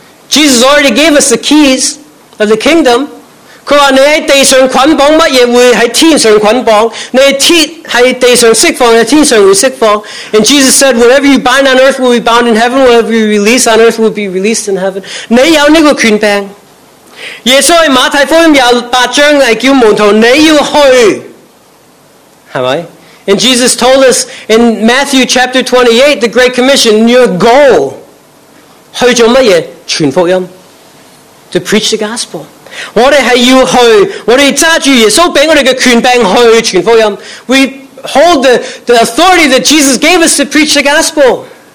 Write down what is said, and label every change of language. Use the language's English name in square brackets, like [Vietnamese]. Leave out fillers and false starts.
[English] Jesus already gave us the keys of the kingdom. [Chinese] 他说你在地上捆绑什么会在天上捆绑，你的铁在地上释放，在天上会释放。 [English] And Jesus said, whatever you bind on earth will be bound in heaven, whatever you release on earth will be released in heaven. [Chinese] 你有这个权柄。耶稣在马太福音28章叫门徒你要去，是吗？ [English] And Jesus told us in Matthew chapter 28, the Great Commission, your goal, [Chinese] 去做什么?传福音， [English] to preach the gospel. [Chinese] 我们是要去，我们拿着耶稣给我们的权柄去传福音。 [English] We hold the authority that Jesus gave us to preach the gospel.